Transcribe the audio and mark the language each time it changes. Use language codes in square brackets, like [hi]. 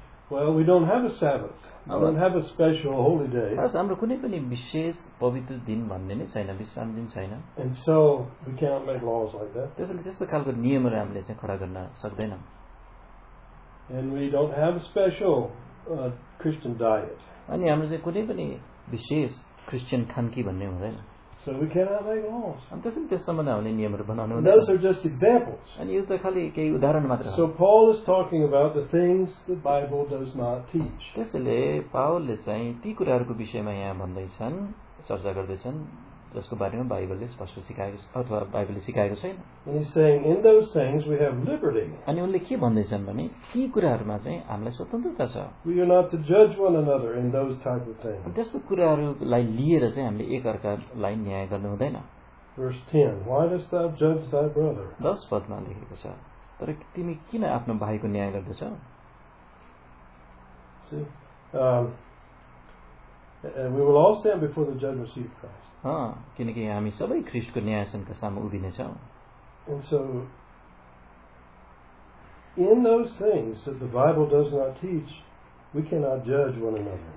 [en] Well, we don't have a Sabbath. We don't have a special holy day. [ne] हाम्रो कुनै पनि विशेष पवित्र दिन भन्ने नै छैन, विश्राम दिन छैन. [en] And so we cannot make laws like that. [ne] त्यसैले त्यस्तो खालको नियमहरू हामीले चाहिँ खडा गर्न सक्दैनौँ. [en] And we don't have a special Christian diet. [ne] अनि हाम्रो चाहिँ कुनै पनि विशेष क्रिस्चियन खानकी भन्ने हुँदैन. [en] So we cannot make laws. [ne] अनि त्यसैले त्यस सम्बन्धमा हामीले नियमहरू बनाउनु हुँदैन. [en] Those are just examples. [ne] अनि यो त खालि केही उदाहरण मात्र हो. [en] So Paul is talking about the things the Bible does not teach. [ne] त्यसैले पाउलले चाहिँ ती कुराहरूको विषयमा यहाँ भन्दैछन्, चर्चा गर्दैछन् जसको बारेमा बाइबलले स्पष्ट सिकाएको छ अथवा बाइबलले सिकाएको छैन. [en] He's saying in those things we have liberty. [ne] अनि उनले के भन्दैछन् भने ती कुराहरूमा चाहिँ हामीलाई स्वतन्त्रता छ. [en] We are not to judge one another in those type of things. [ne] त्यस्तो कुराहरूलाई लिएर चाहिँ हामीले एकअर्कालाई न्याय गर्नु हुँदैन. [en] Verse 10. Why dost thou judge thy brother? [ne] दस पदमा लेखेको छ, तर तिमी किन आफ्नो भाइको न्याय गर्दछौ? [en] See, And we will all stand before the judgment seat of Christ. [ne] किनकि हामी सबै ख्रीष्टको न्यायसनका सामु उभिने छौ. [en] And so, in those things that the Bible does not teach, we cannot judge one another.